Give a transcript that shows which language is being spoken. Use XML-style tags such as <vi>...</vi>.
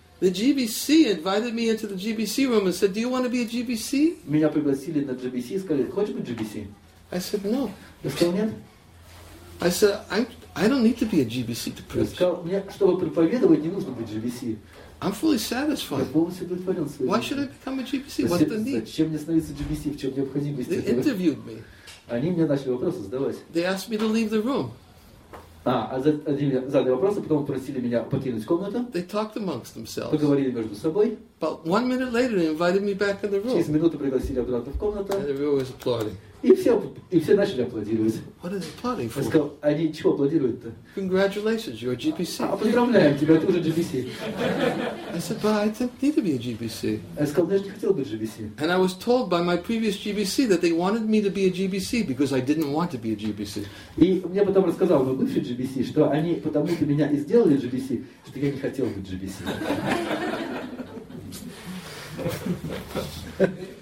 <en>the GBC invited me into the GBC room and said, "Do you want to be a GBC?"</en> <ru>Меня пригласили на GBC и сказали, "Хочешь быть GBC?"</ru> <en>I said, "No."</en> <ru>Я сказал, "Нет."</ru> <en>I said, "I don't need to be a GBC to preach."</en> <ru>Я сказал, "Мне, чтобы проповедовать, не нужно быть GBC."</ru> <en>I'm fully satisfied. Why should I become a GBC? What's the need?</en> <ru>Зачем мне становиться GBC? В чем необходимость?</ru> <en>They interviewed me.</en> <ru>Они мне начали вопросы задавать.</ru> <en>They asked me to leave the room.</en> <ru>Они мне задали вопросы, потом попросили меня покинуть комнату.</ru> <en>They talked amongst themselves.</en> <ru>Поговорили между собой.</ru> <en>But 1 minute later, they invited me back in the room.</en> <ru>Через минуту пригласили обратно в комнату.</ru> <en>And everyone was applauding.</en> <ru>И все начали аплодировать.</ru> <en>What are they applauding for?</en> <ru>Я сказал, они чего аплодируют-то?</ru> <en>Congratulations, you're a GBC.</en> <ru>Поздравляем тебя, ты уже GBC.</ru> <en>I said, but I didn't need to be a GBC.</en> <ru>Я сказал, я же не хотел быть GBC.</ru> <en>And I was told by my previous GBC that they wanted me to be a GBC because I didn't want to be a GBC.</en> <ru>И мне потом рассказал мой бывший GBC, что они потому-то меня и сделали GBC, что я не хотел быть GBC.</ru>